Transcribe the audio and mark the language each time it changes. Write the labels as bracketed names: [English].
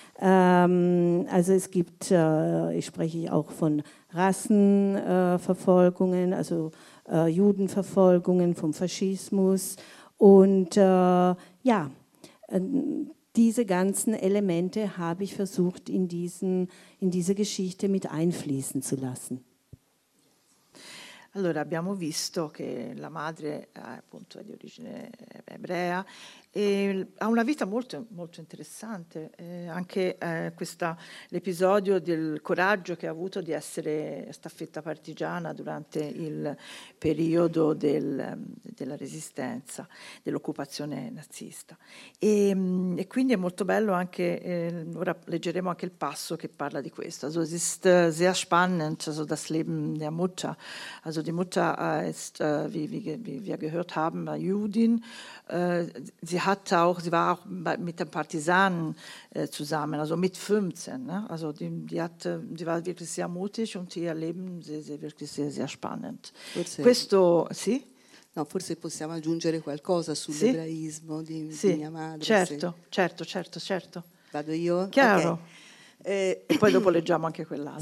[German] Also es gibt, ich spreche auch von Rassenverfolgungen, also Judenverfolgungen vom Faschismus. Und ja, diese ganzen Elemente habe ich versucht, in diese Geschichte mit einfließen zu lassen. [Italian] Allora, abbiamo visto che la madre appunto è di origine ebrea e ha una vita molto, molto interessante, anche questa, l'episodio del coraggio che ha avuto di essere staffetta partigiana durante il periodo della resistenza, dell'occupazione nazista. E quindi è molto bello anche, ora leggeremo anche il passo che parla di questo. [German] Also es ist sehr spannend, also das Leben der Mutter. Also die Mutter ist, wie wir gehört haben, Judin. Sie war auch mit den Partisanen zusammen, also mit 15. Ne? Also sie war wirklich sehr mutig und ihr Leben ist wirklich sehr, sehr spannend. [Italian] Forse, questo, sì? No, forse possiamo aggiungere qualcosa sull'ebraismo, sì? Di mia madre. Certo, se... certo. Vado io? Chiaro. Okay. E poi dopo leggiamo anche quell'altro.